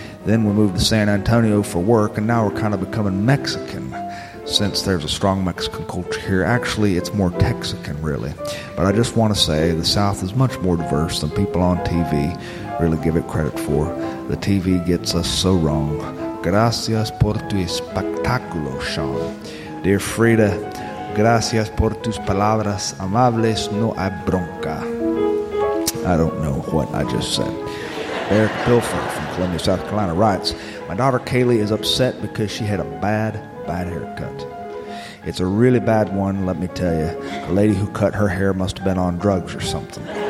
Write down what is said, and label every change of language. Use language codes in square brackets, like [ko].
[en] Then we moved to San Antonio for work, and now we're kind of becoming Mexican, since there's a strong Mexican culture here. Actually, it's more Texican, really. But I just want to say the South is much more diverse than people on TV really give it credit for. The TV gets us so wrong. [es] Gracias por tu espectáculo, Sean. Dear Frida, gracias por tus palabras amables, no hay bronca. [en] I don't know what I just said. Eric Pilfer from Columbia, South Carolina writes, my daughter Kaylee is upset because she had a bad haircut. It's a really bad one, let me tell you. The lady who cut her hair must have been on drugs or something.